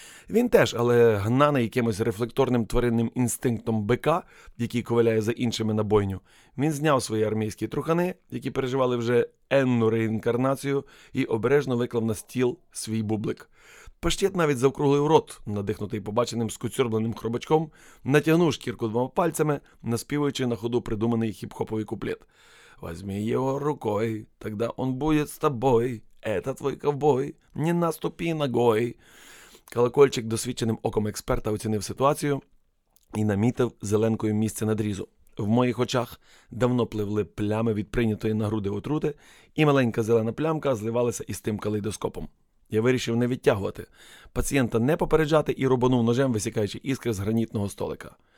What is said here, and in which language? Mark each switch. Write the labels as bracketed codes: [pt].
[uk] Він теж, але гнаний якимось рефлекторним тваринним інстинктом бика, який ковиляє за іншими на бойню, він зняв свої армійські трухани, які переживали вже енну реінкарнацію, і обережно виклав на стіл свій бублик. Паштет навіть завкруглив рот, надихнутий побаченим скуцюрбленим хробачком, натягнув шкірку двома пальцями, наспівуючи на ходу придуманий хіп-хоповий куплет. [ru] «Возьми його рукой, тогда он будет с тобой, это твой ковбой, не наступи ногой». [uk] Колокольчик досвідченим оком експерта оцінив ситуацію і намітив зеленкою місце надрізу. В моїх очах давно пливли плями від прийнятої на груди отрути, і маленька зелена плямка зливалася із тим калейдоскопом. Я вирішив не відтягувати, пацієнта не попереджати і рубанув ножем, висікаючи іскри з гранітного столика.